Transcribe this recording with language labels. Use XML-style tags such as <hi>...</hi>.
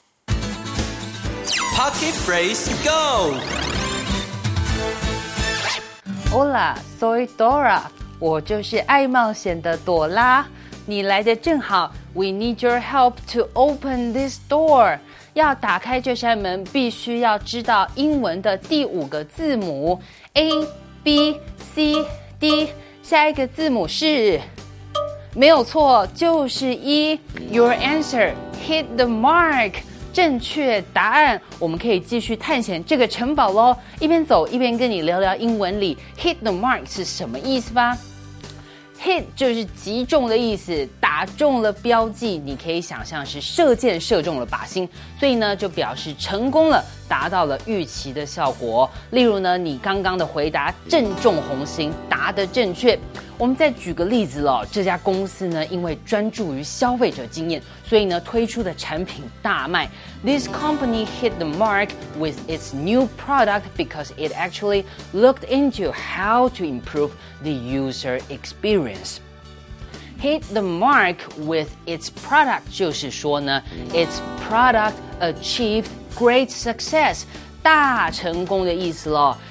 <en>Pocket phrase go!</en> <es>Hola, soy Dora.</es> <zh>我就是爱冒险的朵拉。你来得正好。</zh> <en>We need your help to open this door.</en> <zh>要打开这扇门，必须要知道英文的第五个字母 A B C D。下一个字母是，没有错，就是一。</zh> <en>Your answer hit the mark.</en> <zh>正确答案，我们可以继续探险这个城堡喽。一边走一边跟你聊聊英文里</zh> <en>hit the mark</en> <zh>是什么意思吧。 Hit 就是击中的意思，打中了标记，你可以想象是射箭射中了靶心，所以呢就表示成功了，达到了预期的效果。例如呢，你刚刚的回答正中红心，答得正确。我们再举个例子了，这家公司呢因为专注于消费者经验，所以呢推出的产品大卖。</zh> <en>This company hit the mark with its new product because it actually looked into how to improve the user experience. Hit the mark with its product</en> <zh>就是说呢</zh> <en>its product achieved great success,</en> <zh>大成功的意思了。</zh>